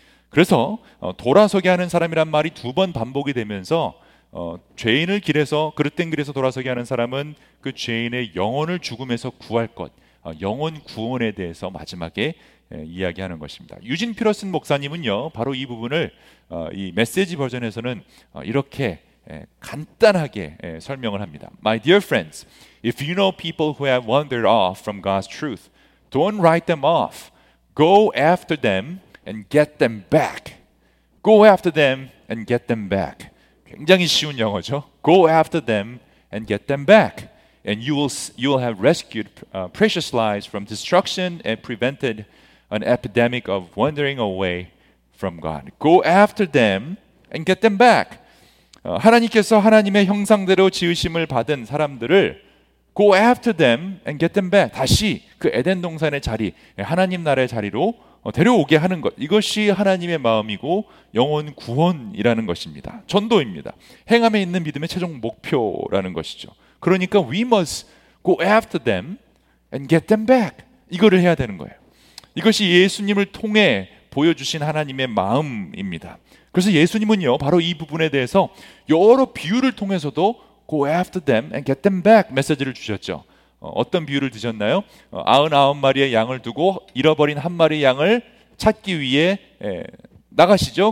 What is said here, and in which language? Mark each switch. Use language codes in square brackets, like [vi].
[ko] 그래서 돌아서게 하는 사람이란 말이 두 번 반복이 되면서 죄인을 길에서 그릇된 길에서 돌아서게 하는 사람은 그 죄인의 영혼을 죽음에서 구할 것 영혼 구원에 대해서 마지막에 이야기하는 것입니다. 유진 피러슨 목사님은요 바로 이 부분을 이 메시지 버전에서는 이렇게 간단하게 설명을 합니다. [en] My dear friends, if you know people who have wandered off from God's truth, don't write them off. Go after them and get them back. Go after them and get them back. [ko] 굉장히 쉬운 영어죠. [en] Go after them and get them back. And you will have rescued precious lives from destruction and prevented an epidemic of wandering away from God. Go after them and get them back. [ko] 하나님께서 하나님의 형상대로 지으심을 받은 사람들을 [en] Go after them and get them back. [ko] 다시 그 에덴 동산의 자리, 하나님 나라의 자리로 데려오게 하는 것. 이것이 하나님의 마음이고 영혼 구원이라는 것입니다. 전도입니다. 행함에 있는 믿음의 최종 목표라는 것이죠. 그러니까 [en] we must go after them and get them back. [ko] 이거를 해야 되는 거예요. 이것이 예수님을 통해 보여주신 하나님의 마음입니다. 그래서 예수님은요 바로 이 부분에 대해서 여러 비유를 통해서도 [en] Go after them and get them back [ko] 메시지를 주셨죠. 어떤 비유를 드셨나요? 99마리의 양을 두고 잃어버린 한 마리의 양을 찾기 위해 나가시죠.